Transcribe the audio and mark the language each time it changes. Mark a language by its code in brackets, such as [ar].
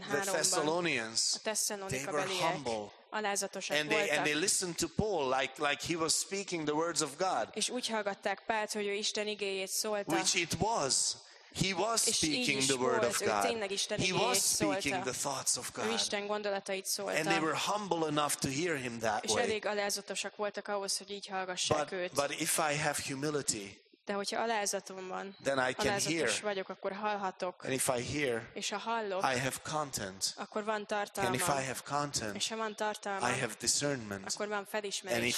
[en] The Thessalonians, they were humble. And they listened to Paul like he was speaking the words of God. [hu] És úgy hallgatták Pált, hogy ő Isten igéjét szólta. [en] Which it was. He was speaking the word of God. He was speaking the thoughts of God. [hu] Isten gondolatait szólta. [en] And they were humble enough to hear him that way. [hu] És elég alázatosak voltak ahhoz, hogy így hallgassák őt. [en] But if I have humility, [hu] de hogyha alázatom van, [en] then I can hear. [hu] Vagyok, akkor hallhatok. [en] And if I hear, [hu] és ha hallok, [en] I have content. [hu] Akkor van tartalma. [en] And if I have content, [hu] és ha van tartalma, [en] I have discernment. [hu] Akkor van felismerésem.